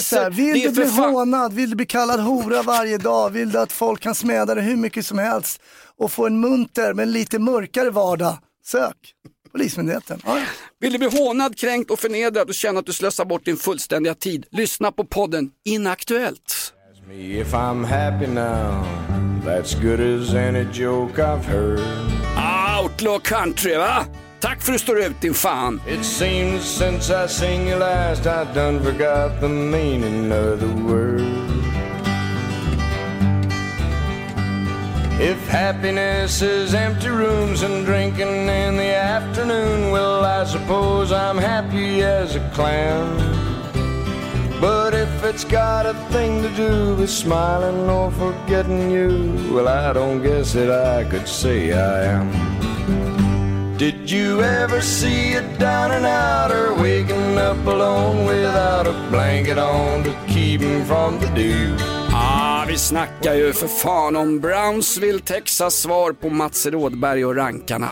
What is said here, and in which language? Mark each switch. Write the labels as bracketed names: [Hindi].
[Swedish] Säga, vill du bli hånad, vill du bli kallad hora varje dag, vill du att folk kan smäda dig hur mycket som helst och få en munter men lite mörkare vardag, sök Polismyndigheten. Ja. Vill du bli hånad, kränkt och förnedrad och känna att du slösar bort din fullständiga tid, lyssna på podden Inaktuellt. [English] Ask me if I'm happy now. That's good as any joke I've heard. Outlaw country, va? [Swedish] Tack för att du står ut, din fan. [English] It seems since I sing you last I done forgot the meaning of the word. If happiness is empty rooms and drinking in the afternoon, well, I suppose I'm happy as a clam. But if it's got a thing to do with smiling or forgetting you, well, I don't guess that I could say I am. Did you ever see a down and out or waking up alone without a blanket on to keep him from the dew? [Swedish] Ah, vi snackar ju för fan om Brownsville, Texas, svar på Mats Rådberg och rankarna.